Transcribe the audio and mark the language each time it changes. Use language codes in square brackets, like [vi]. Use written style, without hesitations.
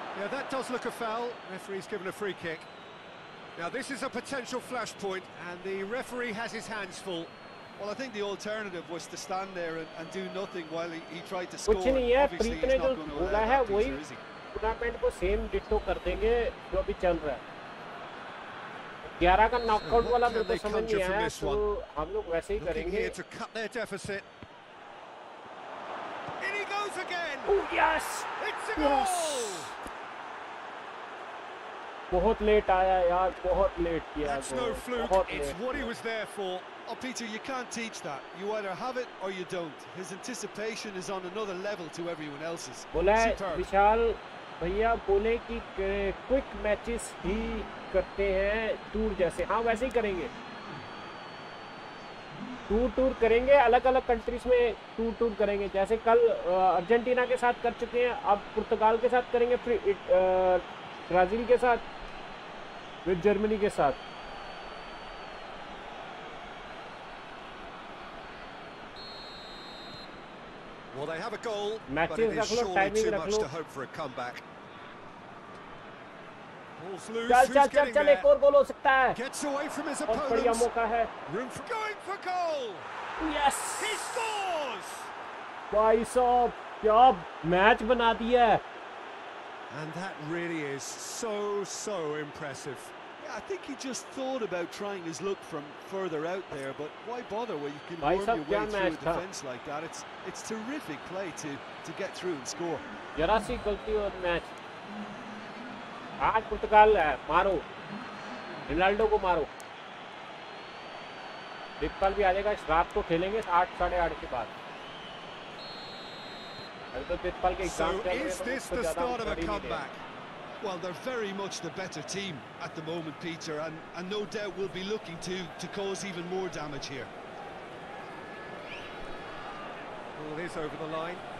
[en] That does look a foul. Referee's given a free kick. Now this is a potential flashpoint, and the referee has his hands full. Well, I think the alternative was to stand there and do nothing while he tried to score. Obviously, he's not going to let that piece, is he? [hi] वही tournament को same ditto कर देंगे जो अभी चल रहा है. 11 का नॉकआउट वाला मेरे को समझ नहीं आया, तो हम लोग वैसे ही करेंगे. [en] Here to cut their deficit. In he goes again. Oh yes! It's a goal! Yes. [hi] बहुत लेट आया यार, बहुत लेट किया. [en] That's no fluke. It's what he was there for. Oh, Peter, you can't teach that. You either have it or you don't. His anticipation is on another level to everyone else's. [hi] बोले विशाल भैया, बोले कि quick matches ही करते हैं tour जैसे. हाँ, वैसे ही करेंगे. टूर टूर करेंगे, अलग अलग कंट्रीज में टूर टूर करेंगे. जैसे कल अर्जेंटीना के साथ कर चुके हैं, अब पुर्तगाल के साथ करेंगे, फिर ब्राजील के साथ, विद जर्मनी के साथ. [en] Well, they have a goal, but it is surely too much to hope for a comeback. [hi] चल चल चल चल, एक और गोल हो सकता है. [en] Gets away from his opponents. [hi] और बढ़िया मौका है. [en] Room for going for goal. Yes. He scores. [hi] भाई साहब, क्या मैच बना दिया है. [en] And that really is so, so impressive. I think he just thought about trying his luck from further out there, but why bother when you can warm your way through a defense like that? It's terrific play to get through and score. [hi] जरा सी गलती और match. आज पुर्तगाल है, मारो Ronaldo को, मारो. दीपक भी आ जाएगा, इस रात को खेलेंगे 8:30 के बाद. [en] So is this the start of a comeback? Well, they're very much the better team at the moment, Peter, and no doubt we'll be looking to cause even more damage here. Well, it is over the line.